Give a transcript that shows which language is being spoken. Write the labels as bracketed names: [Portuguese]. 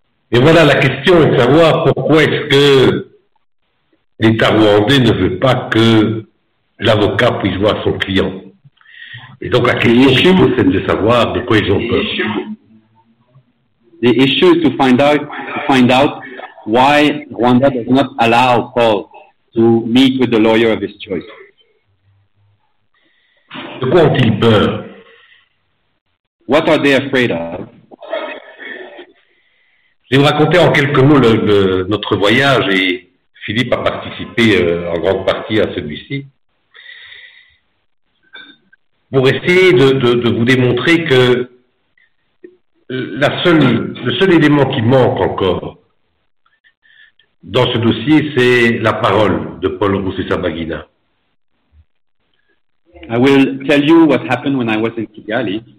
[French] Et voilà, la question est de savoir pourquoi est-ce que l'État rwandais ne veut pas que l'avocat puisse voir son client. Et donc la question, c'est de savoir de quoi ils ont peur. [English] The issue is to find out why Rwanda does not allow Paul to meet with the lawyer of his choice. [French] De quoi ont-ils peur? [English] What are they afraid of? [French] Je vais vous raconter en quelques mots notre voyage, et Philippe a participé en grande partie à celui-ci, pour essayer de vous démontrer que le seul élément qui manque encore dans ce dossier, c'est la parole de Paul Rusesabagina. [English] I will tell you what happened when I was in Kigali.